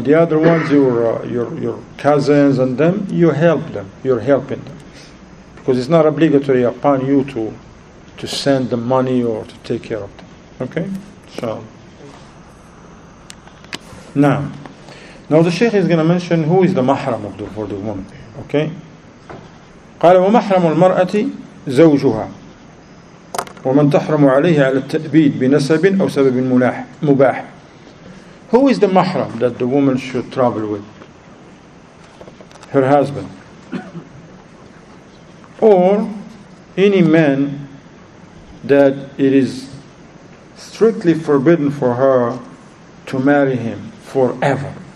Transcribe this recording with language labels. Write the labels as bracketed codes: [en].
[en] The other ones, your cousins and them, you help them. You're helping them. Because it's not obligatory upon you to send the money or to take care of them. Okay? So. Now the Shaykh is going to mention who is the mahram of for the woman. Okay? [ar] قال ومحرم المرأة زوجها ومن تحرم عليه على التأبيد بنسب أو سبب ملاح مباح. [en] Who is the mahram that the woman should travel with? Her husband. Or any man that it is strictly forbidden for her to marry him forever.